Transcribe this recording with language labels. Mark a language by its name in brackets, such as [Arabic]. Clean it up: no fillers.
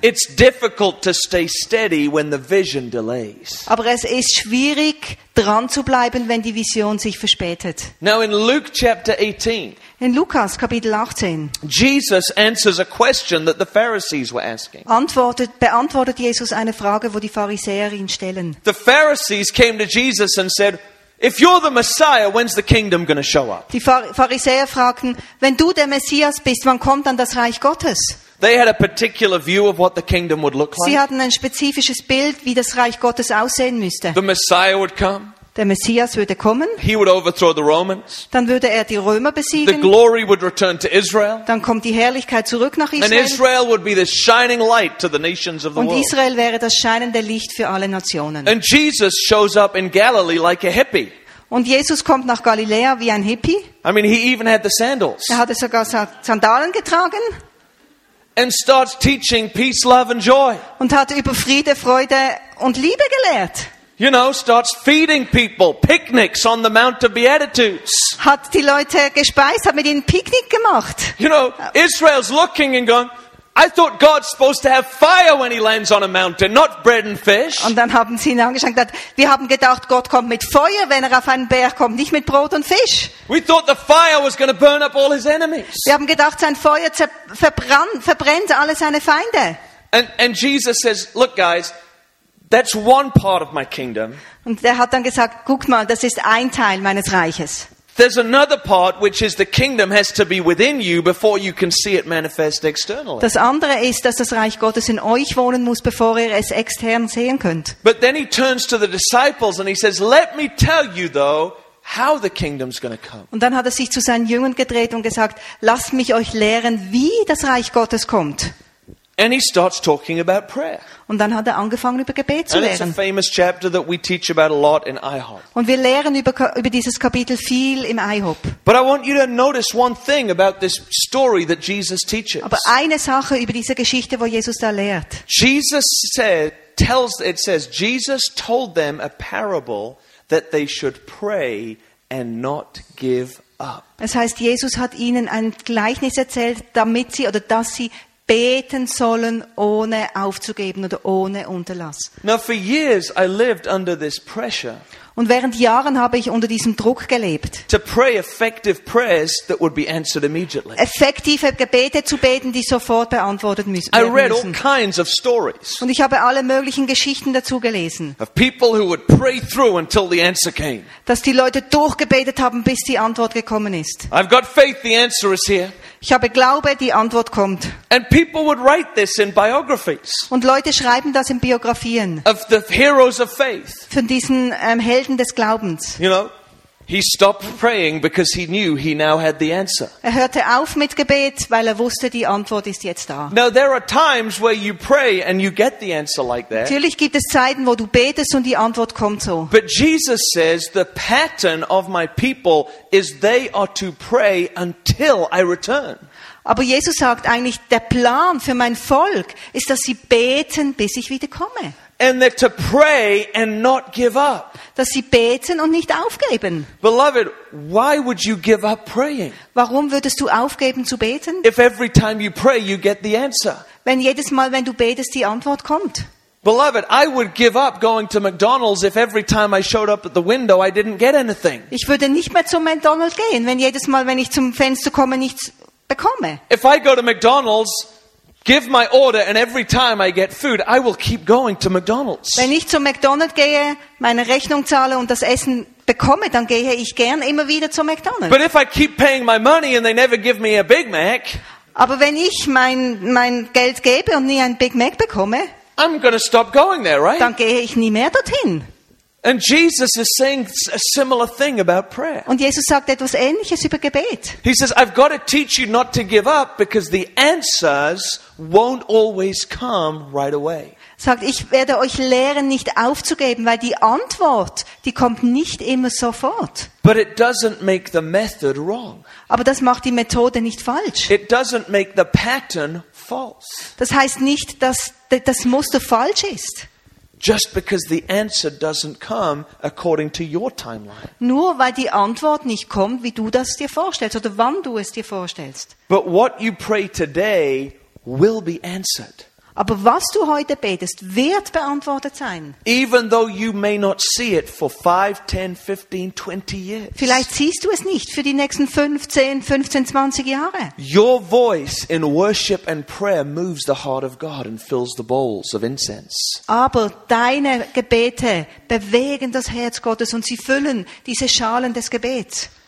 [English] It's difficult to stay steady when the vision delays. [German] Aber es ist schwierig, dran zu bleiben, wenn die Vision sich verspätet. [English] Now in Luke chapter 18. [German] In Lukas Kapitel 18. [English] Jesus answers a question that the Pharisees were asking. [German] Beantwortet Jesus eine Frage, wo die Pharisäer ihn stellen. [English] The Pharisees came to Jesus and said, if you're the Messiah, when's the kingdom going to show up? [German] Die Pharisäer fragten, wenn du der Messias bist, wann kommt dann das Reich Gottes? [English] They had a particular view of what the kingdom would look like. [German] Sie hatten ein spezifisches Bild, wie das Reich Gottes aussehen müsste. [English] The Messiah would come. [German] Der Messias würde kommen. [English] He would overthrow the Romans. [German] Dann würde er die Römer besiegen. [English] The glory would return to Israel. [German] Dann kommt die Herrlichkeit zurück nach Israel. [English] And Israel would be the shining light to the nations of the world. [German] Und Israel wäre das scheinende Licht für alle Nationen. [English] And Jesus shows up in Galilee like a hippie. [German] Und Jesus kommt nach Galiläa wie ein Hippie. [English] I mean, he even had the sandals. [German] Er hatte sogar Sandalen getragen. [English] And starts teaching peace, love and joy. [German] Und hat über Friede, Freude und Liebe gelehrt. [English] You know, starts feeding people, picnics on the Mount of Beatitudes. [German] Hat die Leute gespeist, hat mit ihnen Picknick gemacht. [English] You know, Israel's looking and going, I thought God's supposed to have fire when he lands on a mountain, not bread and fish. [German] Und dann haben sie ihn angeschaut. Wir haben gedacht, Gott kommt mit Feuer, wenn er auf einen Berg kommt, nicht mit Brot und Fisch. [English] We thought the fire was going to burn up all his enemies. [German] Wir haben gedacht, sein Feuer verbrennt alle seine Feinde. [English] And Jesus says, look guys, that's one part of my kingdom. [German] Und er hat dann gesagt, guck mal, das ist ein Teil meines Reiches. [English] There's another part, which is the kingdom has to be within you before you can see it manifest externally. [German] Das andere ist, dass das Reich Gottes in euch wohnen muss, bevor ihr es extern sehen könnt. [English] But then he turns to the disciples and he says, "Let me tell you though how the kingdom's going to come." [German] Und dann hat er sich zu seinen Jüngern gedreht und gesagt, "Lasst mich euch lehren, wie das Reich Gottes kommt." [English] And he starts talking about prayer. [German] Und dann hat er angefangen, über Gebet zu lehren. [English] And it's a famous chapter that we teach about a lot in IHOP. [German] Und wir lehren über dieses Kapitel viel im IHOP. [English] But I want you to notice one thing about this story that Jesus teaches. [German] Aber eine Sache über diese Geschichte, wo Jesus da lehrt. [English] Jesus told them a parable that they should pray and not give up. [German] Das heißt, Jesus hat ihnen ein Gleichnis erzählt, damit sie oder dass sie beten sollen, ohne aufzugeben oder ohne Unterlass. [English] Now for years I lived under this pressure. [German] Und während Jahren habe ich unter diesem Druck gelebt. [English] To pray effective prayers that would be answered immediately. [German] Effektive Gebete zu beten, die sofort beantwortet werden müssen. [English] I read all kinds of stories. [German] Und ich habe alle möglichen Geschichten dazu gelesen. [English] Of people who would pray through until the answer came. [German] Dass die Leute durchgebetet haben, bis die Antwort gekommen ist. [English] I've got faith, the answer is here. [German] Ich habe Glaube, die Antwort kommt. [English] And people would write this in biographies. [German] Und Leute schreiben das in Biografien. [English] Of the heroes of faith. [German] Von diesen Helden des Glaubens. [English] You know, he stopped praying because he knew he now had the answer. [German] Er hörte auf mit Gebet, weil er wusste, die Antwort ist jetzt da. [English] Now there are times where you pray and you get the answer like that. [German] Natürlich gibt es Zeiten, wo du betest und die Antwort kommt so. [English] But Jesus says the pattern of my people is they are to pray until I return. [German] Aber Jesus sagt eigentlich, der Plan für mein Volk ist, dass sie beten, bis ich wiederkomme. [English] And they're to pray and not give up. [German] Dass sie beten und nicht aufgeben. [English] Beloved, why would you give up praying? [German] Warum würdest du aufgeben zu beten? [English] If every time you pray, you get the answer. [German] Wenn jedes Mal, wenn du betest, die Antwort kommt. [English] Beloved, I would give up going to McDonald's if every time I showed up at the window I didn't get anything. [German] Ich würde nicht mehr zu McDonald's gehen, wenn jedes Mal, wenn ich zum Fenster komme, nichts bekomme. [English] If I go to McDonald's, give my order and every time I get food, I will keep going to McDonald's. [German] Wenn ich zu McDonald's gehe, meine Rechnung zahle und das Essen bekomme, dann gehe ich gern immer wieder zu McDonald's. [English] But if I keep paying my money and they never give me a Big Mac, [German] aber wenn ich mein Geld gebe und nie ein Big Mac bekomme, [English] I'm gonna stop going there, right? [German] Dann gehe ich nie mehr dorthin. [English] And Jesus is saying a similar thing about prayer. [German] Und Jesus sagt etwas Ähnliches über Gebet. [English] He says, I've got to teach you not to give up because the answers won't always come right away. [German] Sagt, ich werde euch lehren, nicht aufzugeben, weil die Antwort, die kommt nicht immer sofort. [English] But it doesn't make the method wrong. [German] Aber das macht die Methode nicht falsch. [English] It doesn't make the pattern false. [German] Das heißt nicht, dass das Muster falsch ist. [English] Just because the answer doesn't come according to your timeline. [German] Nur weil die Antwort nicht kommt, wie du das dir vorstellst oder wann du es dir vorstellst. [English] But what you pray today will be answered. [German] Aber was du heute betest, wird beantwortet sein. [English] Even though you may not see it for 5, 10, 15, 20 years. [German] Vielleicht siehst du es nicht für die nächsten 15, 20 Jahre. [English] Your voice in worship and prayer moves the heart of God and fills the bowls of incense. [German] Aber deine Gebete bewegen das Herz Gottes und sie füllen diese Schalen des Gebets.